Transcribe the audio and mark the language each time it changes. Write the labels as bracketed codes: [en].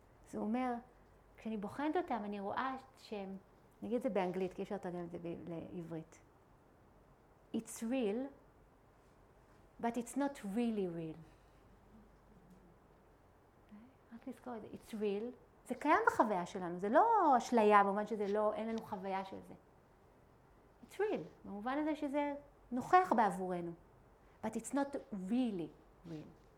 [he] זה אומר... כשאני בוחנת אותם, אני רואה שהם, נגיד זה באנגלית, כי אפשר לתרגם את זה לעברית. [en] It's real, but it's not really real. [he] רק לזכור את זה, [en] it's real. [he] זה קיים בחוויה שלנו, זה לא אשליה, במובן שזה לא, אין לנו חוויה של זה. [en] It's real, [he] במובן הזה שזה נוכח בעבורנו. [en] But it's not really real.